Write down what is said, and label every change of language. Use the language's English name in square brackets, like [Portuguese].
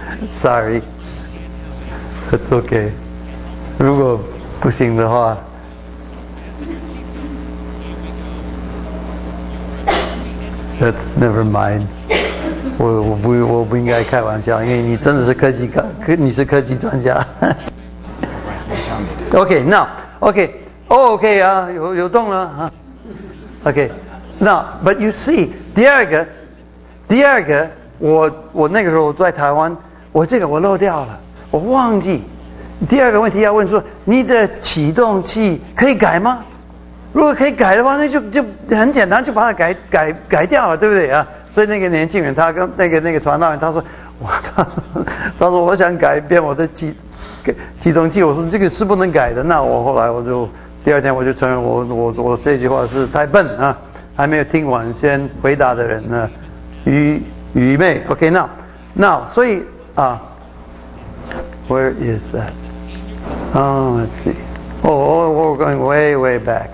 [English] Sorry, that's okay. [Chinese] 如果不行的话， [English] That's never mind. [Chinese] 我不应该开玩笑，因为你真的是科技专家。 [English] Okay, now, okay, oh, okay [Chinese] 啊，有动了啊。 [English] Okay, now, but you see, [Chinese] 第二个，我那个时候在台湾，我这个我漏掉了，我忘记。第二个问题要问说，你的启动器可以改吗？如果可以改的话，那就很简单，就把它改掉了，对不对啊？所以那个年轻人，他跟那个传道人，他说我想改变我的启动器，我说这个是不能改的。那我后来我就第二天我就承认我这句话是太笨啊，还没有听完先回答的人呢，愚昧。 [English] OK, now [Chinese] 所以啊 [English] ，Where is that? Oh, let's see. Oh, we're going way, way back.